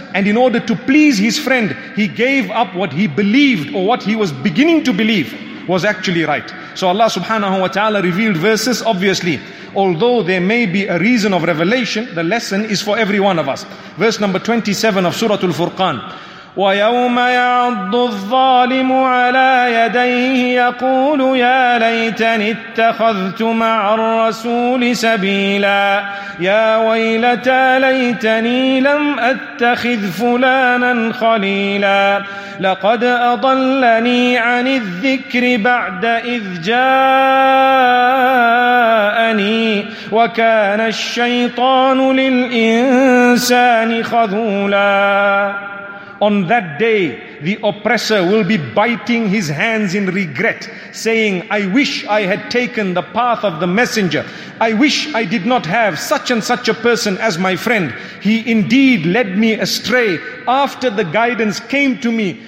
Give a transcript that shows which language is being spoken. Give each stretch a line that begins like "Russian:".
English: And in order to please his friend, he gave up what he believed, or what he was beginning to believe, was actually right. So Allah subhanahu wa ta'ala revealed verses, obviously. Although there may be a reason of revelation, the lesson is for every one of us. Verse number 27 of Surah Al-Furqan.
Arabic: ويوم يعض الظالم على يديه يقول يا ليتني اتخذت مع الرسول سبيلا يا ويلتى ليتني لم أتخذ فلانا خليلا لقد أضلني عن الذكر بعد إذ جاءني وكان الشيطان للإنسان خذولا.
English: On that day, the oppressor will be biting his hands in regret, saying, I wish I had taken the path of the messenger. I wish I did not have such and such a person as my friend. He indeed led me astray after the guidance came to me.